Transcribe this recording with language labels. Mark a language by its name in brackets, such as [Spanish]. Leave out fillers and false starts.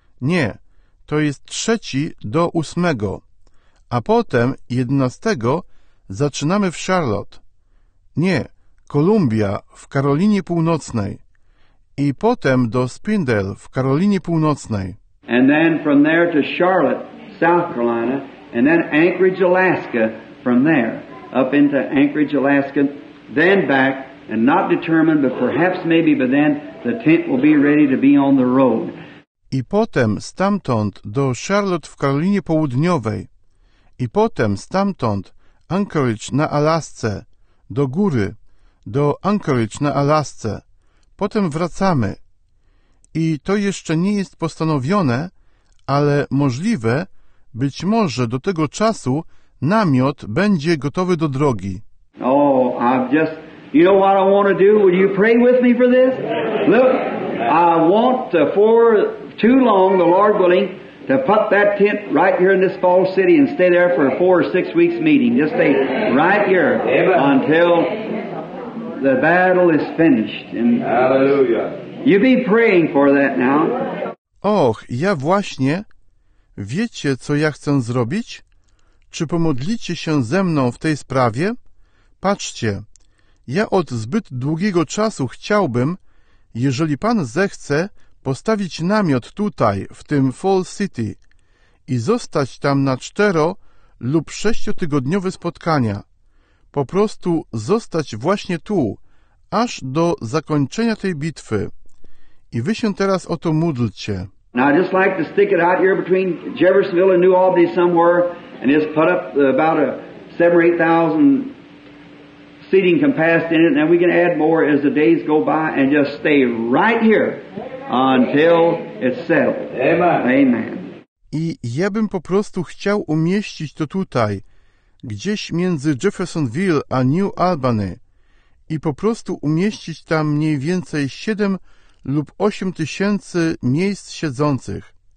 [Polish] Nie, to jest 3 do 8. A potem 11 zaczynamy w Charlotte. Nie, Columbia w Karolinie Północnej. I potem do Spindle w Karolinie Północnej. [English] And then from there to Charlotte, South Carolina, and then Anchorage, Alaska, from there up into Anchorage, Alaska, then back, and not determined, but perhaps maybe by then the tent will be ready to be on the road. [Polish] I potem stamtąd do Charlotte w Karolinie Południowej. I potem stamtąd Anchorage na Alasce, do góry, do Anchorage na Alasce. Potem wracamy. I to jeszcze nie jest postanowione, ale możliwe, być może do tego czasu namiot będzie gotowy do drogi. [English] Oh, you know what I want to do? Will you pray with me for this? Look, I want to, for too long, the Lord willing, to put that tent right here in this fall city and stay there for a 4 or 6 weeks meeting. Just stay right here until the battle is finished. And hallelujah. You be praying for that now. [Polish] Och, ja właśnie. Wiecie, co ja chcę zrobić? Czy pomodlicie się ze mną w tej sprawie? Patrzcie, ja od zbyt długiego czasu chciałbym, jeżeli Pan zechce, postawić namiot tutaj, w tym Fall City i zostać tam na 4- lub 6-tygodniowe spotkania. Po prostu zostać właśnie tu, aż do zakończenia tej bitwy. I wy się teraz o to módlcie. [English] Now I just like to stick it out here between Jeffersonville and New Albany somewhere and just put up about a 7,000 or 8,000 seating capacity in it, and we can add more as the days go by and just stay right here until it's settled. Amen. Amen. [Polish] I ja bym po prostu chciał umieścić to tutaj, gdzieś między Jeffersonville a New Albany i po prostu umieścić tam mniej więcej 7 lub 8 tysięcy miejsc siedzących.